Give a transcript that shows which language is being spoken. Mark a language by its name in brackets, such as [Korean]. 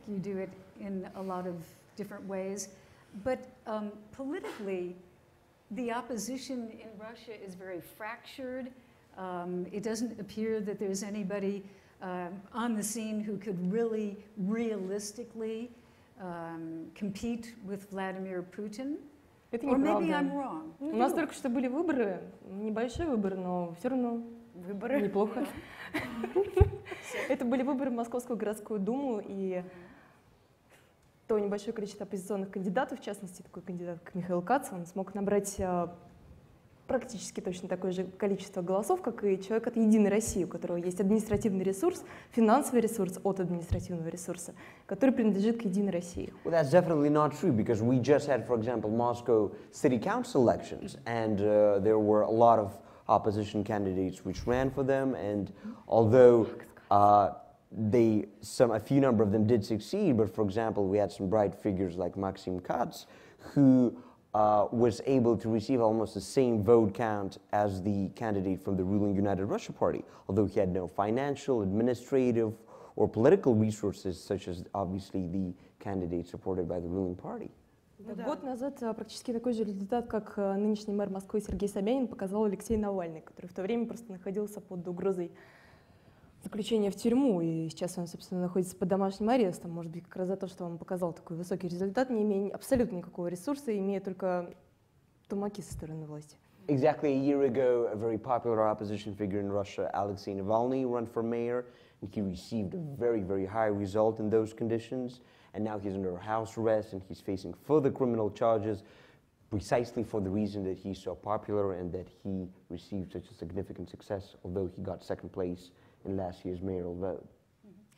[English] You do it in a lot of different ways. But politically, the opposition in Russia is very fractured. It doesn't appear that there's anybody on the scene who could really realistically compete with Vladimir Putin. [Russian] Это не правда. [English] Or maybe I'm wrong. [Russian] У нас только что были выборы, небольшие выборы, но все равно выборы. Неплохо. Это были выборы в Московскую городскую думу, и то небольшое количество оппозиционных кандидатов, в частности, такой кандидат, как Михаил Кац, он смог набрать практически точно такое же количество голосов, как и человек от «Единой России», у которого есть административный ресурс, финансовый ресурс от административного ресурса, который принадлежит к «Единой России». [English] Well, that's definitely not true, because we just had, for example, Moscow City Council elections, and there were a lot of opposition candidates which ran for them, and although a few number of them did succeed, but for example, we had some bright figures like Maxim Kats, who was able to receive almost the same vote count as the candidate from the ruling United Russia Party, although he had no financial, administrative, or political resources, such as obviously the candidate supported by the ruling party. [Russian] Год назад практически такой же результат, как нынешний мэр Москвы Сергей Собянин, показал Алексей Навальный, который в то время просто находился под угрозой заключение в тюрьму, и сейчас он, собственно, находится под домашним арестом, может быть, как раз за то, что он показал такой высокий результат, не имея абсолютно никакого ресурса, имея только тумаки со стороны власти. [English] Exactly a year ago, a very popular opposition figure in Russia, Alexei Navalny, ran for mayor, and he received a very, very high result in those conditions, and now he's under house arrest, and he's facing further criminal charges, precisely for the reason that he's so popular and that he received such a significant success, although he got second place in last year's mayoral vote. Mm-hmm.